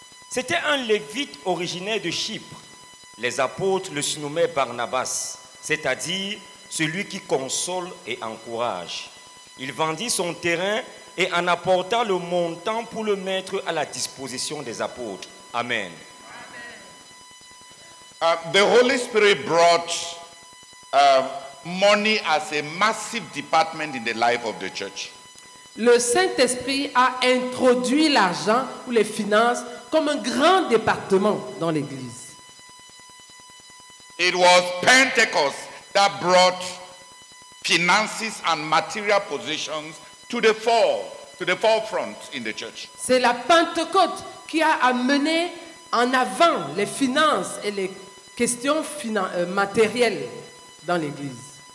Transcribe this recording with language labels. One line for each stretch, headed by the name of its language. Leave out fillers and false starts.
French: C'était un Lévite originaire de Chypre. Les apôtres le surnommaient Barnabas, c'est-à-dire celui qui console et encourage. Il vendit son terrain et en apporta le montant pour le mettre à la disposition des apôtres. Amen.
English: The Holy Spirit brought money as a massive department in the life of the church.
French: Le Saint-Esprit a introduit l'argent ou les finances comme un grand département dans l'église.
English: It was Pentecost that brought finances and material possessions to the forefront in the church.
French: C'est la Pentecôte qui a amené en avant les finances et les questions matérielles dans l'église.